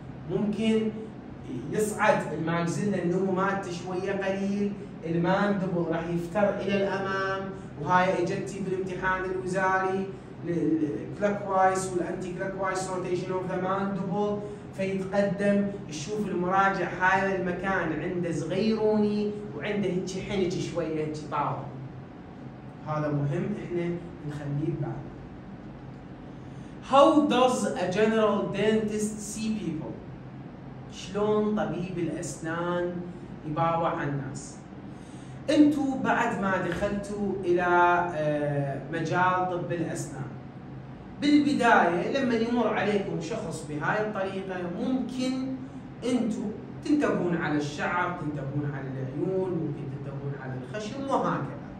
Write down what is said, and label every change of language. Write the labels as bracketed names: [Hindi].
[Arabic] ممكن يصعد الماكزيلا النمو مالته شوية قليل، الماندبل راح يفتر إلى الأمام، وهاي إجتي بالامتحان الوزاري للكلوكوايز والأنتي كلوكوايز روتيشن أوف ذا ماندبل. فيتقدم يشوف المراجع هذا المكان عنده صغيروني وعنده هيك حنج شويه هيك طاوله، هذا مهم احنا نخليه ببالنا. [English] How does a general dentist see people؟ [Arabic] شلون طبيب الأسنان يباوع الناس. انتو بعد ما دخلتوا الى مجال طب الأسنان بالبداية لما يمر عليكم شخص بهاي الطريقة ممكن انتو تنتبهون على الشعر، تنتبهون على العيون، ممكن تنتبهون على الخشم وهكذا.